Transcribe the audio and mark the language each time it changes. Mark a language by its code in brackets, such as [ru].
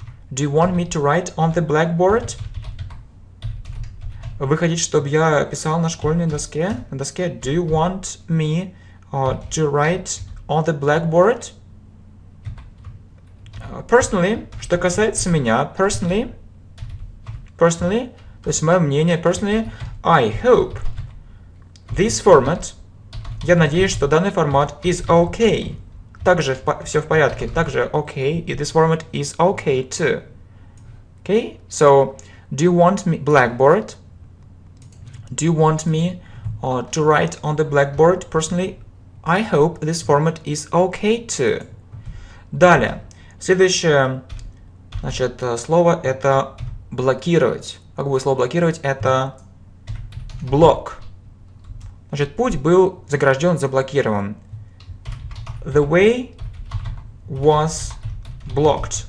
[en] Do you want me to write on the blackboard? [ru] Вы хотите, чтобы я писал на школьной доске? На доске. [en] Do you want me to write on the blackboard? Personally, [ru] что касается меня, [en] personally, [ru] то есть мое мнение, [en] personally, I hope this format, [ru] я надеюсь, что данный формат [en] is okay. [ru] Также все в порядке, также [en] okay, this format is okay too. Okay, so, do you want me, blackboard? Do you want me to write on the blackboard personally? I hope this format is okay too. [ru] Далее. Следующее, значит, слово это блокировать. Как будет слово блокировать? Это block. Значит, путь был загражден, заблокирован. [en] The way was blocked.